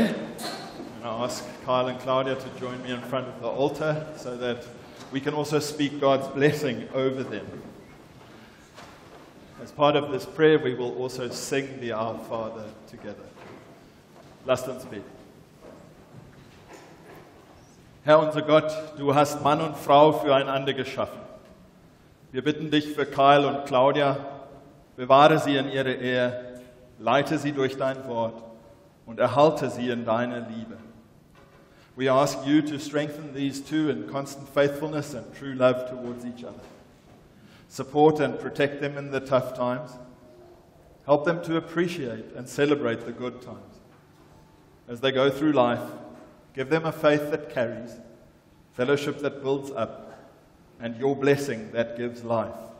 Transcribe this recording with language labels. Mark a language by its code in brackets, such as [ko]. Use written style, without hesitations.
[en] I'm going to ask Kyle and Claudia to join me in front of the altar so that we can also speak God's blessing over them. As part of this prayer, we will also sing the Our Father together. [de] Lasst uns beten. Herr unser Gott, du hast Mann und Frau füreinander geschaffen. Wir bitten dich für Kyle und Claudia. Bewahre sie in ihrer Ehe. Leite sie durch dein Wort und erhalte sie in deiner Liebe. [en] We ask you to strengthen these two in constant faithfulness and true love towards each other. Support and protect them in the tough times. Help them to appreciate and celebrate the good times. As they go through life, give them a faith that carries, fellowship that builds up, and your blessing that gives life.